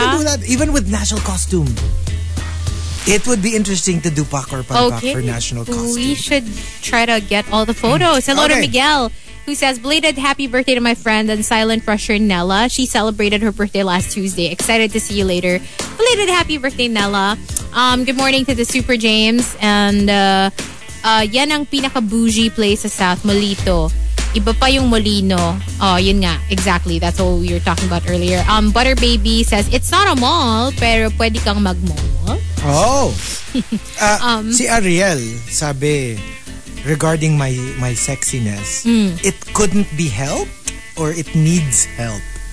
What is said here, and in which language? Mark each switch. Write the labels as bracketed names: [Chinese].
[English] Maybe we can do that even with national costume. It would be interesting to do pack or palpak for national costume. We should try to get all the photos. Hello to Miguel, who says, belated happy birthday to my friend and silent rusher Nella. She celebrated her birthday last Tuesday. Excited to see you later. Belated happy birthday, Nella. Good morning to the Super James. [Filipino] And yan ang pinaka-bougie place sa South Molito. Iba pa yung Molino. [English] Oh, [Filipino] yun nga. [English] Exactly. That's what we were talking about earlier. Butter Baby says, it's not a mall, [Filipino] pero pwede kang mag-mall. [English] Oh. [Filipino] si Ariel sabi, [English] regarding my sexiness, it couldn't be helped or it needs help?